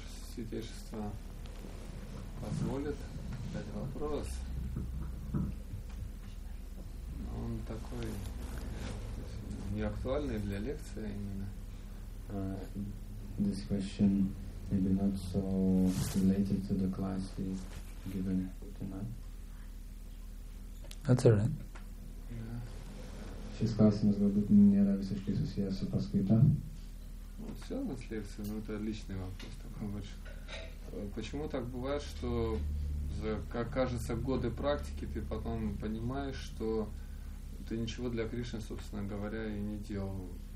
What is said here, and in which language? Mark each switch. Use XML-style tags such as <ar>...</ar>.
<ru>Позволит задать вопрос. Он такой не актуальный для лекции именно.</ru> <en>This question maybe not so related to the class we given tonight. That's all right. Yeah. Сейчас классно, может нера висишки сусия с паскита.</en> <ru>Ну все, у нас лекция, но это личный вопрос такой больше. Почему так бывает, что за, как кажется, годы практики ты потом понимаешь, что ты ничего для Кришны, собственно говоря, и не делал?</ru>